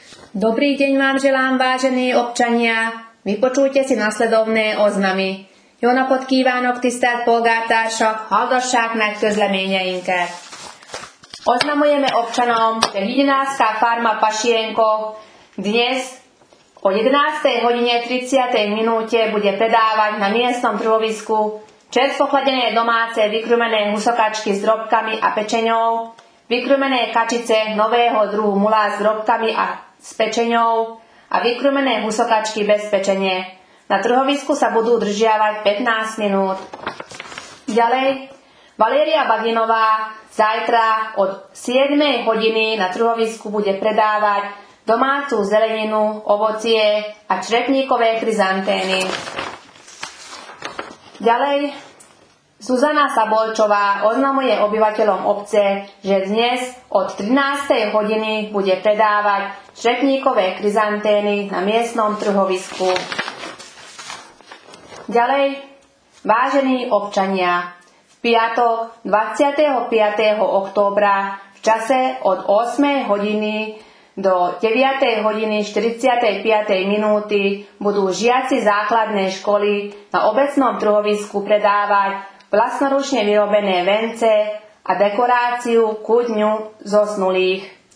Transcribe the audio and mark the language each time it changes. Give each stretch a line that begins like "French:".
Slovak: Dobrý deň vám želám, vážení občania. Vypočujte si nasledovné oznamy.
Hungarian: Jóna podkívánok tisztelt polgártársak, hallgassák meg közleményeinket.
Slovak: Oznamujeme občanom, že hygienická farma Pašienko dnes o 11:30 bude predávať na miestnom trhovisku čerstvo chladené domáce vykrmené husokačky s drobkami a pečeňou, vykrmené kačice nového druhu mulá s drobkami a s pečeňou a vykrmené husokačky bez pečenie. Na trhovisku sa budú udržiavať 15 minút. Ďalej, Valéria Baginová zajtra od 7:00 na trhovisku bude predávať domácu zeleninu, ovocie a črepníkové chryzantény. Ďalej, Zuzana Sabolčová oznamuje obyvateľom obce, že dnes od 13:00 bude predávať črepníkové chryzantény na miestnom trhovisku. Ďalej, vážení občania, v piatok 25. októbra v čase od 8:00 do 9:45 budú žiaci základnej školy na obecnom trhovisku predávať vlastnoručne vyrobené vence a dekoráciu ku dňu zosnulých.